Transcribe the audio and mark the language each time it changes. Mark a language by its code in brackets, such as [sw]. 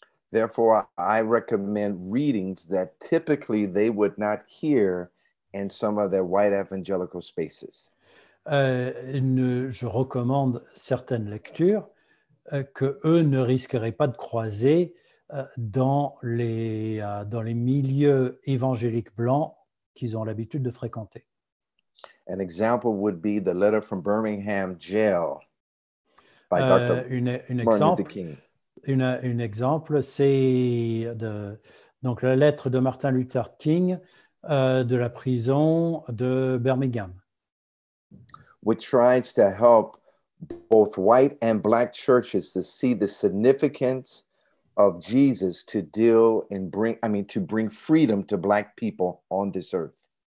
[en] Therefore, I recommend readings that typically they would not hear in some of their white evangelical spaces. [fr] Je recommande certaines lectures que eux ne risqueraient pas de croiser dans les milieux évangéliques blancs qu'ils ont l'habitude de fréquenter. [en] An example would be the letter from Birmingham Jail by Dr. [fr] Un exemple, c'est donc la lettre de Martin Luther King de la prison de Birmingham, [en] which tries to help both white and black churches to see the significance of Jesus to deal and bring, I mean, to bring freedom to black people on this earth.